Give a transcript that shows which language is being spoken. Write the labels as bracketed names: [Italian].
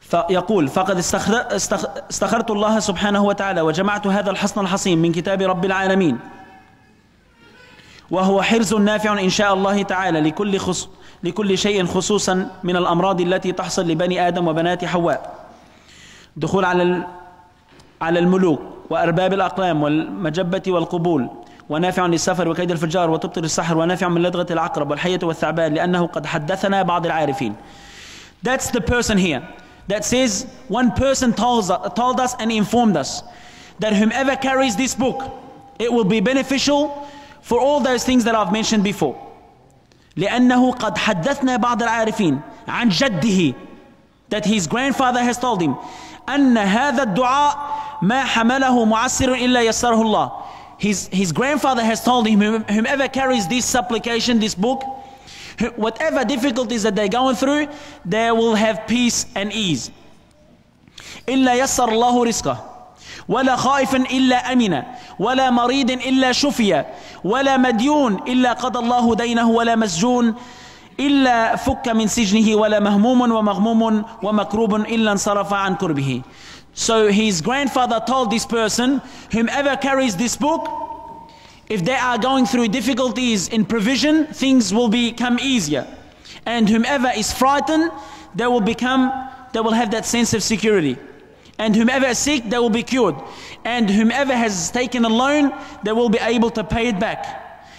[Arabic] يقول فقد استخرت الله سبحانه وتعالى وجمعت هذا الحصن الحصين من كتاب رب العالمين وهو حرز نافع إن شاء الله تعالى لكل شيء خصوصا من الأمراض التي تحصل لبني آدم وبنات حواء دخول على على الملوك وأرباب الأقلام والمجبة والقبول، ونافع للسفر وكيد الفجار، وتبطل السحر، ونافع من لدغة العقرب والحية والثعبان، لأنه قد حدثنا بعض العارفين. [English] That's the person here that says one person told us and informed us that whomever carries this book, it will be beneficial for all those things that I've mentioned before. [Arabic] لأنه قد حدثنا بعض العارفين عن جده, [English] that his grandfather has told him [Arabic] أن هذا الدعاء ما حمله معسر إلا يسره الله. [English] His grandfather has told him, whomever carries this supplication, this book, whatever difficulties that they're going through, they will have peace and ease. [Arabic] إلا يسر الله رزقه ولا خائف إلا أمنا ولا مريض إلا شفيا ولا مديون إلا قضى الله دينه ولا مسجون إلا فك من سجنه ولا مهموم ومغموم ومكروب إلا انصرف عن كربه. [English] So his grandfather told this person, whomever carries this book, if they are going through difficulties in provision, things will become easier. And whomever is frightened, they will have that sense of security. And whomever is sick, they will be cured. And whomever has taken a loan, they will be able to pay it back.